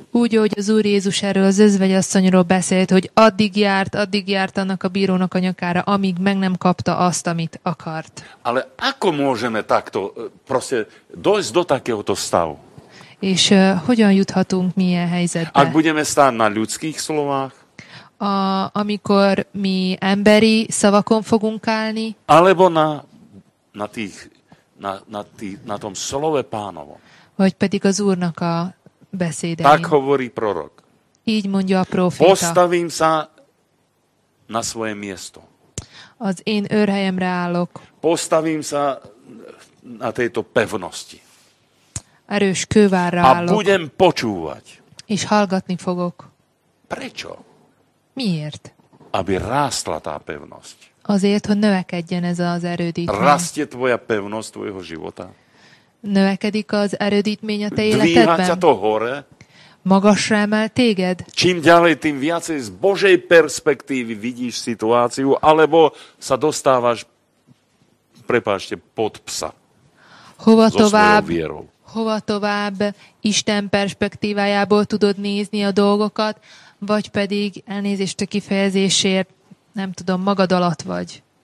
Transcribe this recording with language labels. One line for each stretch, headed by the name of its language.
Hungarian: Úgy, ahogy az Úr Jézus erről az özvegyasszonyról beszélt, hogy addig járt annak a bírónak a nyakára, amíg meg nem kapta azt, amit akart.
Slovak: Ale ako môžeme takto, proste, dojsť do takéhoto stavu?
Hungarian: És hogyan juthatunk mi ilyen helyzetbe?
Slovak: Ak budeme stáť na ľudských slovách?
Hungarian: Amikor mi emberi szavakon fogunk állni?
Slovak: Alebo na tom slove pánovo?
Hungarian: Vagy pedig az Úrnak a beszédein.
Slovak: Tak hovorí prorok.
Hungarian: Így mondja a profita.
Slovak: Postavím sa na svoje miesto.
Hungarian: Az én őrhelyemre állok.
Slovak: Postavím sa na tejto pevnosti.
Hungarian: Erős kővárra a állok.
Slovak: A budem počúvať.
Hungarian: És hallgatni fogok.
Slovak: Prečo?
Hungarian: Miért?
Slovak: Aby rástla tá pevnosť.
Hungarian: Azért, hogy növekedjen ez az erődítmény.
Slovak: Rastie tvoja pevnosť tvojho života.
Hungarian: Növekedik az erődítmény a te életedben?
Slovak: Dvíha ťa to hore.
Hungarian: Magasra emel téged?
Slovak: Čím ďalej, tým viacej z Božej perspektívy vidíš situáciu, alebo sa dostávaš, prepáčte, pod psa.
Hungarian: Hova tovább Isten perspektívájából tudod nézni a dolgokat, vagy pedig elnézést a kifejezésért, nem tudom, magad alatt vagy.